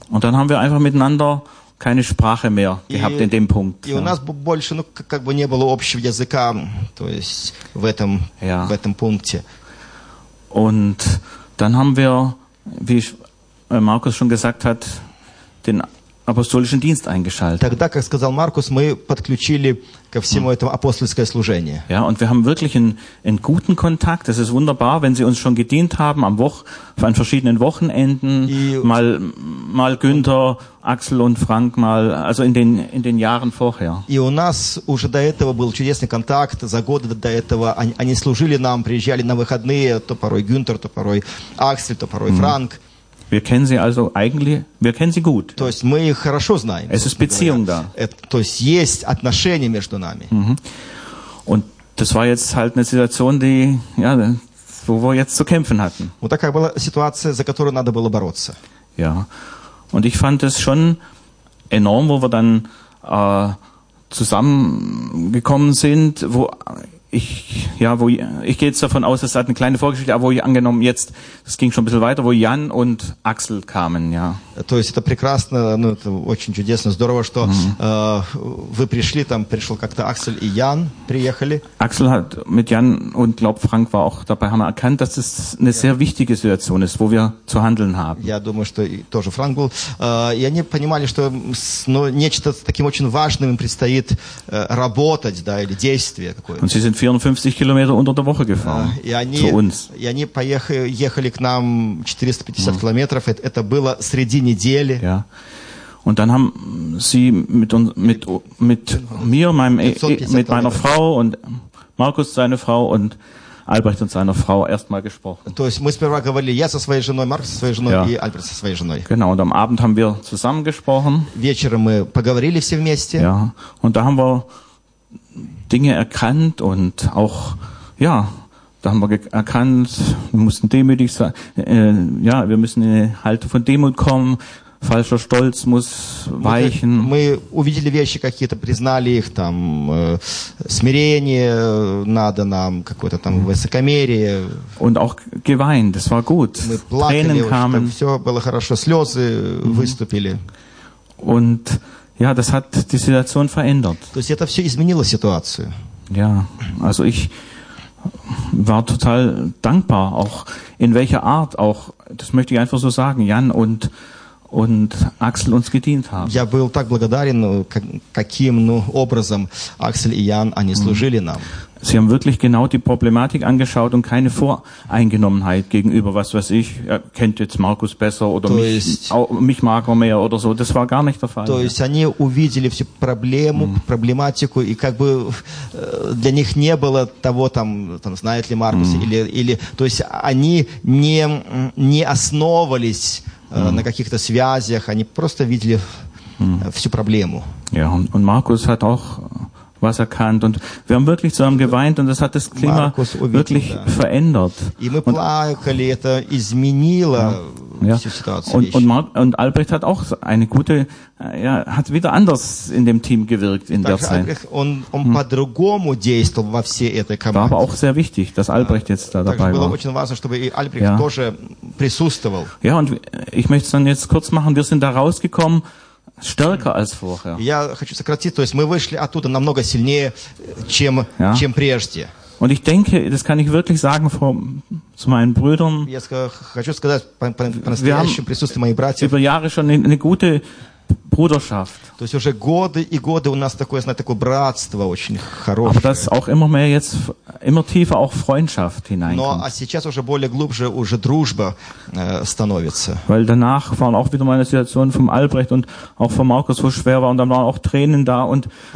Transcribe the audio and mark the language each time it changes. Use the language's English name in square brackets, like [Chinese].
[German] Und dann haben wir einfach miteinander keine Sprache mehr gehabt in dem Punkt. [Russian] И у нас больше, как бы не было общего языка, то есть в этом пункте. [German] Und dann haben wir, wie Markus schon gesagt hat, den Apostolischen Dienst eingeschaltet. [Russian] Тогда, как сказал Маркус, мы подключили ко всему этому апостольское служение. [German] Ja, und wir haben wirklich einen guten Kontakt. Das ist wunderbar, wenn sie uns schon gedient haben an verschiedenen Wochenenden. Mal Günther, Axel und Frank, also in den Jahren vorher. [Russian] И у нас уже до этого был чудесный контакт. За годы до этого они служили нам, приезжали на выходные, то порой Гюнтер, то порой Аксель, то порой Франк. [German] Wir kennen sie also eigentlich, wir kennen sie gut. [Russian] То есть мы их хорошо знаем. [German] Es ist Beziehung da. [Russian] То есть есть отношения между нами. [German] Und das war jetzt halt eine Situation, wo wir jetzt zu kämpfen hatten. [Russian] Вот такая была ситуация, за которую надо было бороться. [German] Ja. Und ich fand es schon enorm, wo wir dann zusammengekommen sind, ich gehe jetzt davon aus, das hat eine kleine Vorgeschichte, aber wo ich angenommen jetzt, das ging schon ein bisschen weiter, wo Jan und Axel kamen, ja. [Russian] То есть это прекрасно, это очень чудесно, здорово, что вы пришли, там пришел как-то Axel и Jan приехали. [German] Axel hat mit Jan und glaub Frank war auch dabei, haben wir erkannt, dass es eine sehr wichtige Situation ist, wo wir zu handeln haben. [Russian] Я думаю, что тоже Frank был, и они понимали, что нечто таким очень важным им предстоит работать, да, или действие какое-то. [German] Und sie sind 54 Kilometer unter der Woche gefahren zu uns. [Russian] И они ехали к нам 450 Kilometer. Это было среди недели. [German] Ja. Und dann haben sie mit meiner Frau und Markus seine Frau und Albrecht und seiner Frau erstmal gesprochen. [Russian] То есть мы сперва говорили я со своей женой, Маркус со своей женой и Альберт со своей женой. [German] Genau, und am Abend haben wir zusammen gesprochen. [Russian] Вечером мы поговорили все вместе. [German] Ja, und da haben wir Dinge erkannt und auch, ja, da haben wir erkannt, wir mussten demütig sein, ja, wir müssen in eine Haltung von Demut kommen. Falscher Stolz muss weichen. [Russian] Мы увидели вещи какие-то, признали их, там, смирение надо нам, какое-то там высокомерие. [German] Und auch geweint, das war gut. [Russian] Мы плакали, [German] Tränen kamen. [Russian] Все было хорошо, слезы выступили. [German] Und ja, das hat die Situation verändert. [Russian] То есть это все изменило ситуацию. [German] Ja, also ich war total dankbar, auch in welcher Art, auch, das möchte ich einfach so sagen, Jan und Axel uns gedient haben. [Russian] Я был так благодарен, каким образом Аксель и Ян они служили нам. [German] Sie haben wirklich genau die Problematik angeschaut und keine Voreingenommenheit gegenüber was weiß ich, kennt jetzt Markus besser oder mich mag er mehr oder so, das war gar nicht der Fall. [Russian] То есть они увидели всю проблему, проблематику и как бы для них не было того там знает ли Маркус или то есть они не основывались на каких-то связях, они просто видели всю проблему. [German] Ja, und Markus hat auch was erkannt und wir haben wirklich zusammen geweint und das hat das Klima wirklich verändert. [Russian] И мы плакали, это изменило всю ситуацию. [German] Und Albrecht hat auch eine gute, ja, hat wieder anders in dem Team gewirkt in der Zeit. [Russian] Он по-другому действовал во всей этой команде. [German] War aber auch sehr wichtig, dass Albrecht jetzt da dabei war. [Russian] Было очень важно, чтобы и Альбрехт тоже присутствовал. [German] Ja, und ich möchte es dann jetzt kurz machen, wir sind da rausgekommen, stärker als vorher. [Russian] Я хочу сократить, то есть мы вышли оттуда намного сильнее, чем прежде. [German] Und ich denke, das kann ich wirklich sagen zu meinen Brüdern. [Russian] Я хочу сказать по-настоящему присутствие моих братьев. [German] Über Jahre schon eine gute Bruderschaft. [Russian] То есть уже годы и годы у нас такое братство очень хорошее. [German] Aber das auch immer mehr jetzt immer tiefer auch Freundschaft hineinkommt. [Russian] Но а сейчас уже более глубже уже дружба становится. [German] Weil danach waren auch wieder meine Situationen vom Albrecht und auch von Markus, wo schwer war und dann waren auch Tränen da und